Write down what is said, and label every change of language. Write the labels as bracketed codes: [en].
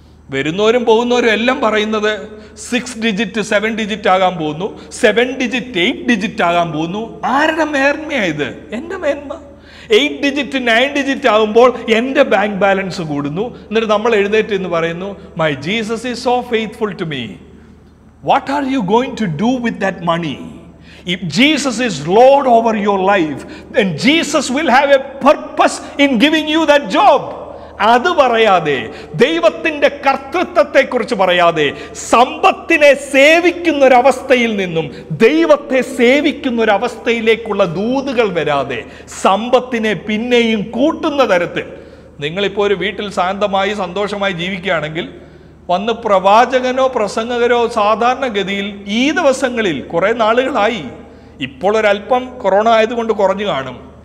[ml] വരുന്നവരും പോകുന്നവരും എല്ലാം പറയുന്നത് 6 digit 7 digit ആകാൻ പോകുന്നു, 7 digit 8 digit ആകാൻ പോകുന്നു. ആരുടെ മേന്മയായത്? എൻ്റെ മേന്മ. 8 digit 9 digit ആകുമ്പോൾ എൻ്റെ ബാങ്ക് ബാലൻസ് കൂടുന്നു. എന്നിട്ട് നമ്മൾ എഴുന്നേറ്റ് എന്ന് പറയുന്നു, [en] My Jesus is so faithful to me. What are you going to do with that money? If Jesus is Lord over your life, then Jesus will have a purpose in giving you that job. [ml] അത് പറയാതെ, ദൈവത്തിന്റെ കർത്തൃത്വത്തെ കുറിച്ച് പറയാതെ, സമ്പത്തിനെ സേവിക്കുന്ന ഒരവസ്ഥയിൽ നിന്നും ദൈവത്തെ സേവിക്കുന്ന ഒരവസ്ഥയിലേക്കുള്ള ദൂതുകൾ വരാതെ, സമ്പത്തിനെ പിന്നെയും കൂട്ടുന്ന തരത്തിൽ, നിങ്ങളിപ്പോൾ ഒരു വീട്ടിൽ ശാന്തമായി സന്തോഷമായി ജീവിക്കുകയാണെങ്കിൽ വന്ന് പ്രവാചകനോ പ്രസംഗകരോ സാധാരണഗതിയിൽ ഈ ദിവസങ്ങളിൽ കുറെ നാളുകളായി, ഇപ്പോൾ ഒരല്പം കൊറോണ ആയതുകൊണ്ട് കുറഞ്ഞു കാണും,